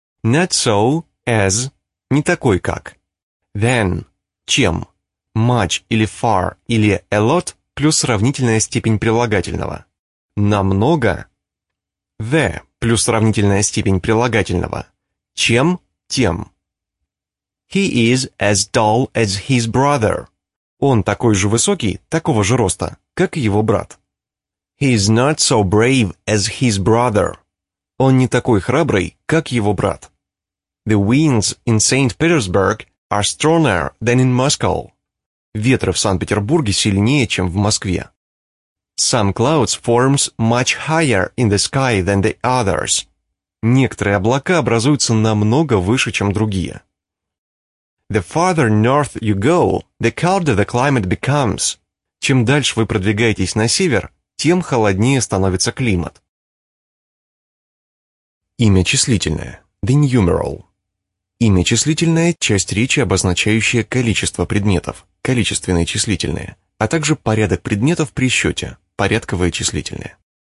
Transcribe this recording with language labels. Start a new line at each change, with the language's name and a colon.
English: Not so – as –
Russian: не такой как.
English: Than –
Russian: чем. Much или far или a lot плюс сравнительная степень прилагательного. Намного. The плюс сравнительная степень прилагательного. Чем – тем.
English: He is as tall as his brother.
Russian: Он такой же высокий, такого же роста, как его брат.
English: He is not so brave as his brother.
Russian: Он не такой храбрый, как его брат.
English: The winds in St. Petersburg are stronger than in Moscow.
Russian: Ветры в Санкт-Петербурге сильнее, чем в Москве.
English: Some clouds forms much higher in the sky than the others.
Russian: Некоторые облака образуются намного выше, чем другие.
English: The farther north you go, the colder the climate becomes.
Russian: Чем дальше вы продвигаетесь на север, тем холоднее становится климат. Имя числительное.
English: The numeral.
Russian: Имя числительное – часть речи, обозначающая количество предметов, количественные числительные, а также порядок предметов при счете, порядковые числительные.